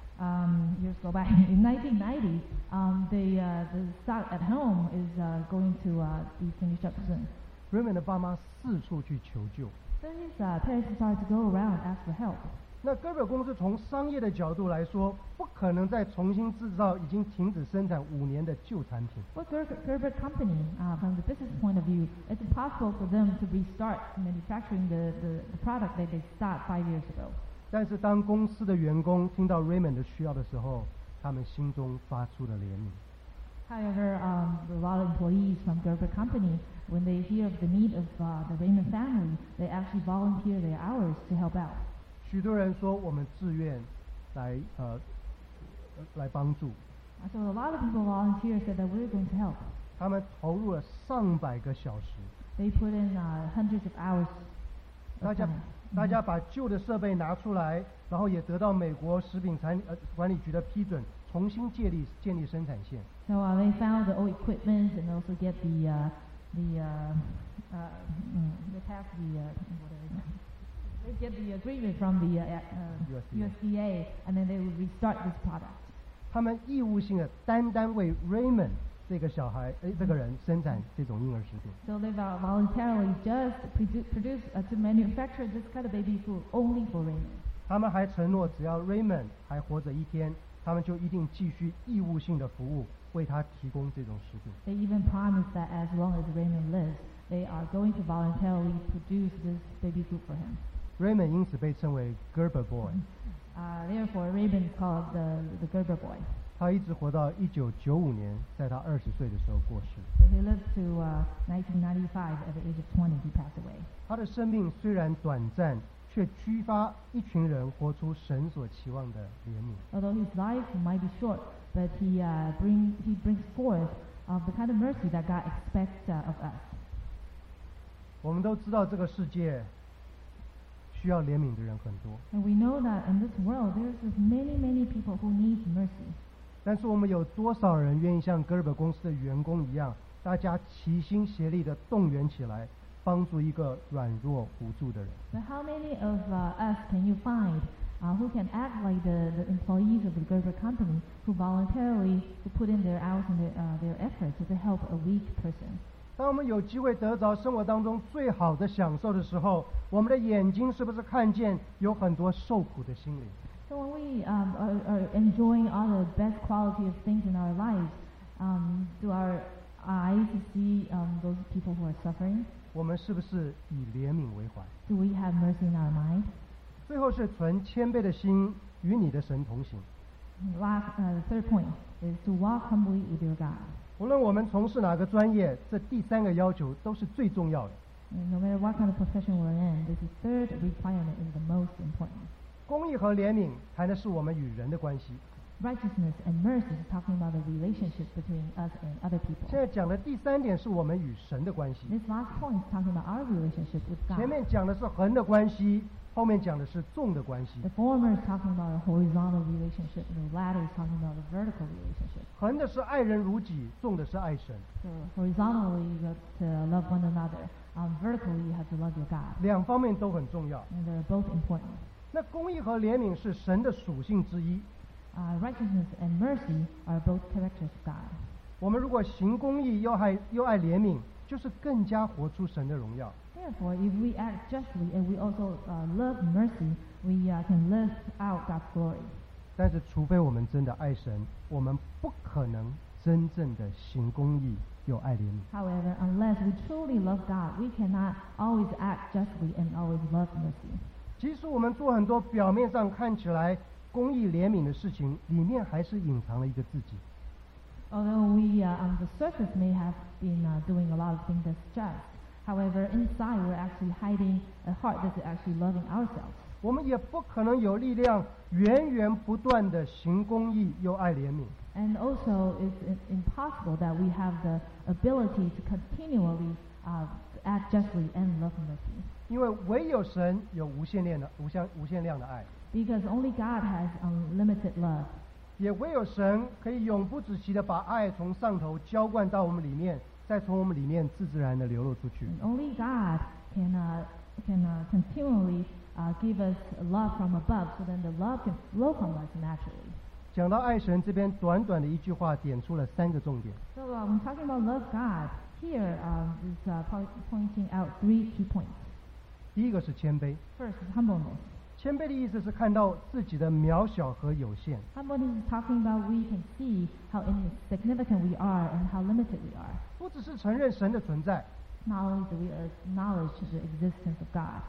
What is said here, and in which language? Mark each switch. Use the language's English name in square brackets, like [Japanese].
[English] In 1990, the stock at home is going to be finished up soon. [Chinese] Raymond 的爸妈四处去求救。 [English] Parents started to go around ask for help. [Chinese] 那哥本公司从商业的角度来说，不可能再重新制造已经停止生产五年的旧产品。 [English] But Gerber company, from the business point of view, it's impossible for them to restart manufacturing the product that they stopped 5 years ago. [Chinese] 但是当公司的员工听到 Raymond 的需要的时候，他们心中发出了怜悯。 [English] However, a lot of employees from Gerber company. When they hear of the need of the Raymond family, they actually volunteer their hours to help out. [Chinese] 许多人说我们自愿来来帮助。 [English] So a lot of people volunteer said that we're going to help. [Chinese] 他们投入了上百个小时。 [English] They put in hundreds of hours. [Chinese] 大家把旧的设备拿出来，然后也得到美国食品管理局的批准，重新建立生产线。 [English] So they found the old equipment and also get the agreement from the USDA, and then they will restart this product. [Chinese] 他们义务性的单单为 Raymond 这个小孩，这个人生产这种婴儿食品。 [English] So they voluntarily just produce to manufacture this kind of baby food only for Raymond. [Chinese] 他们还承诺，只要 Raymond 还活着一天，他们就一定继续义务性的服务。为他提供这种食品。 [English] They even promised that as long as Raymond lives, they are going to voluntarily produce this baby food for him. [Chinese] Raymond 因此被称为 Gerber Boy. [English] Therefore, Raymond is called the Gerber Boy. [Chinese] 他一直活到1995年，在他20岁的时候过世。 [English] So he lived to 1995 at the age of 20. He passed away. [Chinese] 他的生命虽然短暂。却激发一群人活出神所期望的怜悯。 [English] Although his life might be short, but he brings forth of the kind of mercy that God expects of us. [Chinese] 我们都知道这个世界需要怜悯的人很多。 [English] And we know that in this world there's many people who need mercy. [Chinese] 但是我们有多少人愿意像哥尔本公司的员工一样，大家齐心协力地动员起来？帮助一个软弱无助的人。 [English] But how many of us can you find who can act like the employees of the Gerber company who voluntarily put in their hours and their efforts to help a weak person? [Chinese] 当我们有机会得着生活当中最好的享受的时候，我们的眼睛是不是看见有很多受苦的心灵？ [English] So when we are enjoying all the best quality of things in our lives, do our eyes see those people who are suffering? [Chinese] 我们是不是以怜悯为怀？ [English] Do we have mercy in our mind? [Chinese] 最后是存谦卑的心与你的神同行。 [English] The third point is to walk humbly with your God. [Chinese] 无论我们从事哪个专业，这第三个要求都是最重要的。 [English] No matter what kind of profession we're in, this third requirement is the most important. [Chinese] 公义和怜悯谈的是我们与人的关系。 [English] Righteousness and mercy is talking about the relationship between us and other people. [Chinese] 现在讲的第三点是我们与神的关系。 [English] This last point is talking about our relationship with God. [Chinese] 前面讲的是横的关系，后面讲的是纵的关系。 [English] The former is talking about a horizontal relationship, and the latter is talking about a vertical relationship. [Chinese] 横的是爱人如己，纵的是爱神。 [English] So horizontally you have to love one another, vertically you have to love your God. [Chinese] 两方面都很重要。 [English] And they're both important. [Chinese] 那公义和怜悯是神的属性之一。 [English] Righteousness and mercy are both characters of God. [Chinese] 我们如果行公义又爱怜悯，就是更加活出神的荣耀。 [English] Therefore, if we act justly and we also love mercy, we can live out God's glory. [Chinese] 但是，除非我们真的爱神，我们不可能真正的行公义又爱怜悯。 [English] However, unless we truly love God, we cannot always act justly and always love mercy. [Chinese] 即使我们做很多表面上看起来公义怜悯的事情，里面还是隐藏了一个自己。 [English] Although we on the surface may have been doing a lot of things that's just, however, inside we're actually hiding a heart that's actually loving ourselves. [Chinese] 我们也不可能有力量源源不断地行公义又爱怜悯。 [English] And also it's impossible that we have the ability to continually act justly and love mercy. [Chinese] 因为唯有神有无限量的爱。 [English] Because only God has unlimited love. [Chinese] 也唯有神可以永不止息地把爱从上头浇灌到我们里面，再从我们里面自自然地流露出去。 [English] And only God can continually give us love from above, so then the love can flow from us naturally. [Chinese] 讲到爱神，这边短短的一句话点出了三个重点。 [English] So when talking about love God, here is pointing out three key points. [Chinese] 第一个是谦卑。 [English] First is humbleness. [Chinese] 谦卑的意思是看到自己的渺小和有限。 [English] Humbleness is talking about we can see how insignificant we are and how limited we are. [Chinese] 不只是承认神的存在。 [English] Not only do we acknowledge the existence of God.